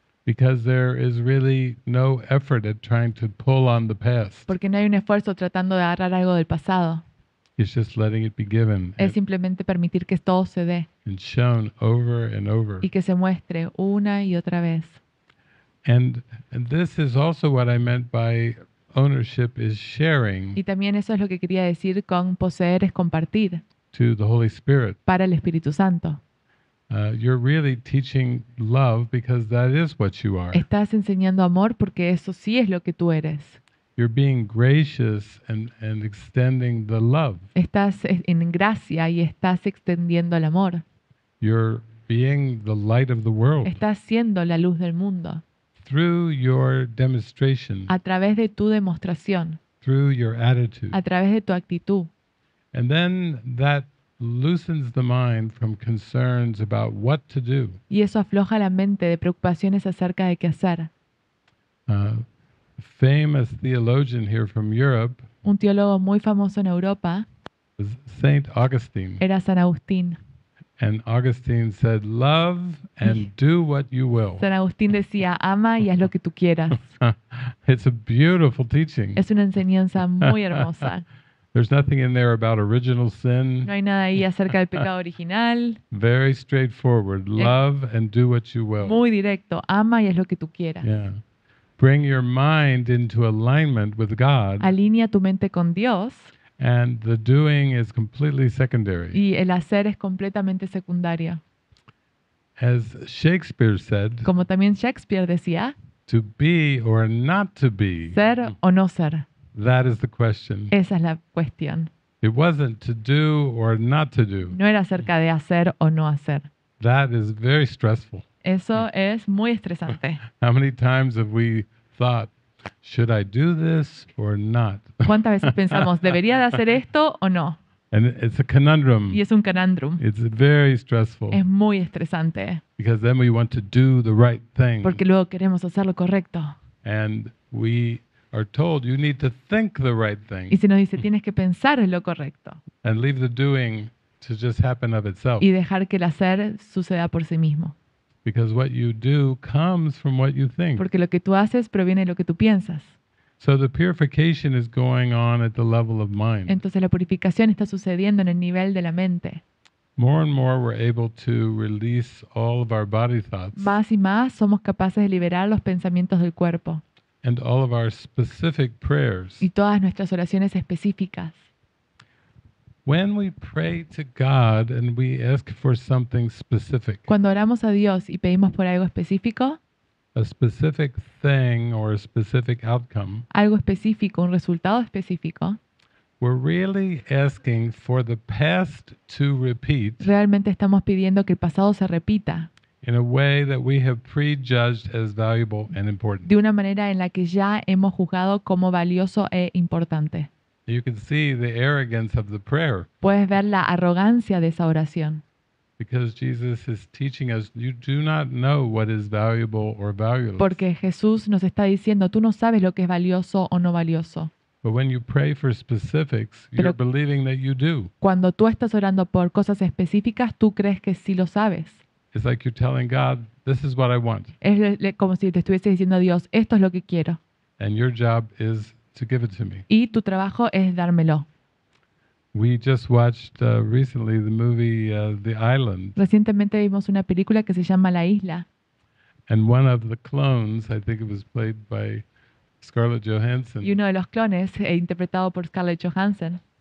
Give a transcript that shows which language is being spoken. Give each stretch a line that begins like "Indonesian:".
English: Because there is really no effort at trying to pull on the past.
Spanish: Porque no hay un esfuerzo tratando de agarrar algo del pasado.
English: It's just letting it be given.
Spanish: Es simplemente permitir que todo se dé.
English: And shown over and over.
Spanish: Y que se muestre una y otra vez.
English: And this is also what I meant by ownership is sharing.
Spanish: Y también eso es lo que quería decir con poseer es compartir.
English: To the Holy Spirit.
Spanish: Para el Espíritu Santo.
English: You're really teaching love because that is what you are.
Spanish: Estás enseñando amor porque eso sí es lo que tú eres.
English: You're being gracious and extending the love.
Spanish: Estás en gracia y estás extendiendo el amor.
English: You're being the light of the world.
Spanish: Estás siendo la luz del mundo.
English: Through your demonstration.
Spanish: A través de tu demostración.
English: Through your attitude.
Spanish: A través de tu actitud.
English: And then that loosens the mind from concerns about what to do.
Spanish: Y eso afloja la mente de preocupaciones acerca de qué hacer.
English: Famous theologian here from Europe.
Spanish: Un teólogo muy famoso en Europa.
English: Saint Augustine.
Spanish: Era San Agustín.
English: And Augustine said, "Love and do what you will."
Spanish: San Agustín decía, ama y haz lo que tú quieras.
English: It's a beautiful teaching.
Spanish: Es una enseñanza muy hermosa.
English: There's nothing in there about original sin.
Spanish: No hay nada ahí acerca del pecado original.
English: Very straightforward. Love and do what you will.
Spanish: Muy directo. Ama y haz lo que tú quieras.
English: Yeah. Bring your mind into alignment with God.
Spanish: Alinea tu mente con Dios.
English: And the doing is completely secondary.
Spanish: Y el hacer es completamente secundario.
English: As Shakespeare said.
Spanish: Como también Shakespeare decía.
English: To be or not to be.
Spanish: Ser o no ser.
English: That is the question.
Spanish: Esa es la cuestión.
English: It wasn't to do or not to do.
Spanish: No era acerca de hacer o no hacer.
English: That is very stressful.
Spanish: Eso es muy estresante.
English: How many times have we thought, should I do this or not?
Spanish: ¿Cuántas veces pensamos, debería de hacer esto o no?
English: And it's a conundrum.
Spanish: Y es un conundrum.
English: It's very stressful.
Spanish: Es muy estresante.
English: Because then we want to do the right thing.
Spanish: Porque luego queremos hacer lo correcto.
English: And we are told you need to think the right thing.
Spanish: Y se nos dice tienes que pensar en lo correcto.
English: And leave the doing to just happen of itself.
Spanish: Y dejar que el hacer suceda por sí mismo.
English: Because what you do comes from what you think.
Spanish: Porque lo que tú haces proviene de lo que tú piensas.
English: So the purification is going on at the level of mind.
Spanish: Entonces la purificación está sucediendo en el nivel de la mente.
English: More and more we're able to release all of our body thoughts.
Spanish: Más y más somos capaces de liberar los pensamientos del cuerpo.
English: And all of our specific prayers.
Spanish: Y todas nuestras oraciones específicas.
English: When we pray to God and we ask for something specific.
Spanish: Cuando oramos a Dios y pedimos por algo específico.
English: A specific thing or a specific outcome.
Spanish: Algo específico, un resultado específico.
English: We're really asking for the past to repeat.
Spanish: Realmente estamos pidiendo que el pasado se repita.
English: In a way that we have prejudged as valuable and important.
Spanish: De una manera en la que ya hemos juzgado como valioso e importante.
English: You can see the arrogance of the prayer.
Spanish: Puedes ver la arrogancia de esa oración.
English: Because Jesus is teaching us, you do not know what is valuable or valueless.
Spanish: Porque Jesús nos está diciendo, tú no sabes lo que es valioso o no valioso.
English: But when you pray for specifics, you're believing that you do.
Spanish: Cuando tú estás orando por cosas específicas, tú crees que sí lo sabes.
English: It's like you're telling God, this is what I want.
Spanish: Es como si te estuviese diciendo a Dios, esto es lo que quiero.
English: And your job is to give it to me.
Spanish: Y tu trabajo es dármelo.
English: We just watched recently the movie The Island.
Spanish: Recientemente vimos una película que se llama La Isla.
English: And one of the clones, I think it was played by Scarlett Johansson.
Spanish: Y uno de los clones, interpretado por Scarlett Johansson,